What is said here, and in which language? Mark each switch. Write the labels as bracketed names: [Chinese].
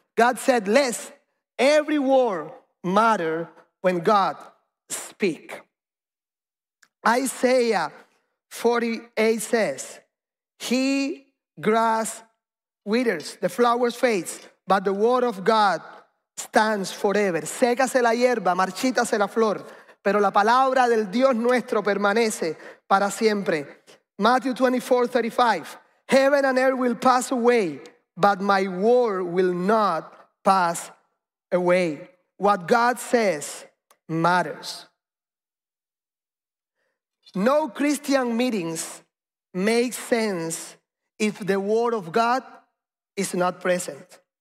[English] God said, lest every word matter when God speak. Isaiah 48 says, he grass withers, the flowers fade, but the word of God stands forever. [Spanish] Sécase la hierba, marchítase la flor, pero la palabra del Dios nuestro permanece para siempre. [English] Matthew 24:35, heaven and earth will pass away, but my word will not pass away. What God says matters. No Christian meetings make sense if the word of God is not present.